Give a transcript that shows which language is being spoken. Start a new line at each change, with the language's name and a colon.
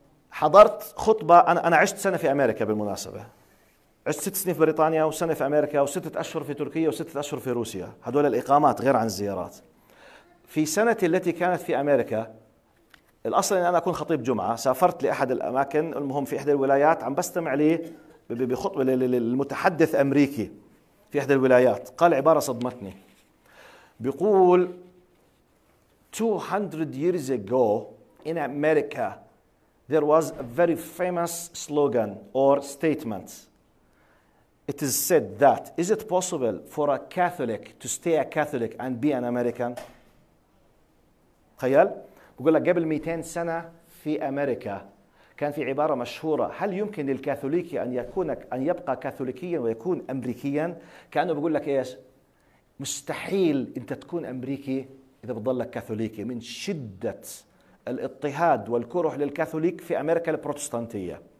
Arabic: حضرت خطبة. أنا عشت سنة في أمريكا بالمناسبة، عشت 6 سنين في بريطانيا وسنة في أمريكا و6 أشهر في تركيا و6 أشهر في روسيا. هذول الإقامات غير عن الزيارات. في سنة التي كانت في أمريكا الأصل أن أنا أكون خطيب جمعة، سافرت لأحد الأماكن المهم في إحدى الولايات عم بستمع لي بخطبة للمتحدث أمريكي في إحدى الولايات. قال عبارة صدمتني، بيقول
English: 200 years ago in America there was a very famous slogan or statement. It is said that is it possible for a Catholic to stay a Catholic and be an American.
Arabic: تخيل بقول لك قبل 200 سنة في أمريكا كان في عبارة مشهورة، هل يمكن للكاثوليكي أن يبقى كاثوليكيا ويكون أمريكيا؟ كأنه بيقول لك إيش، مستحيل أنت تكون أمريكي إذا بتضلك كاثوليكي من شدة الاضطهاد والكره للكاثوليك في أمريكا البروتستانتية.